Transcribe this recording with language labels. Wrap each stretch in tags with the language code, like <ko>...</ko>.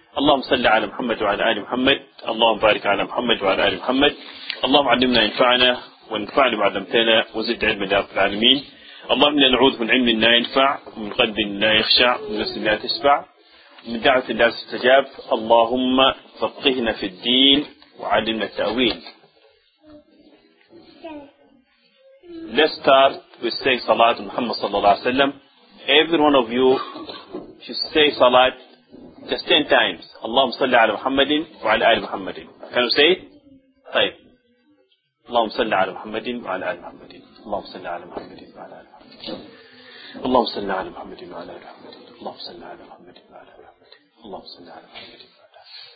<ar>اللهم صل على محمد وعلى آل محمد، اللهم بارك على محمد وعلى آل محمد، اللهم علمنا ينفعنا وانفعنا ما علمتنا وزد علما يا رب العالمين. اللهم إنا نعوذ من علم لا ينفع، ومن قلب لا يخشع، ومن نفس لا تشبع، ومن دعوة لا تستجاب. اللهم فقهنا في الدين وعلمنا التأويل.</ar> <en>Let's start with saying Salat Muhammad</en> <ar>صلى الله عليه وسلم.</ar> <en>Every one of you should say Salat just 10 times.</en> <ar>اللهم صل على محمد وعلى آل محمد.</ar> <en>Can you say it? طيب.</en> <ar>اللهم صل على محمد وعلى آل محمد. اللهم صل على محمد وعلى آل محمد. اللهم صل على محمد وعلى آل محمد. اللهم صل على محمد وعلى آل محمد. اللهم صل على محمد وعلى آل محمد. اللهم صل على محمد وعلى آل محمد.</ar>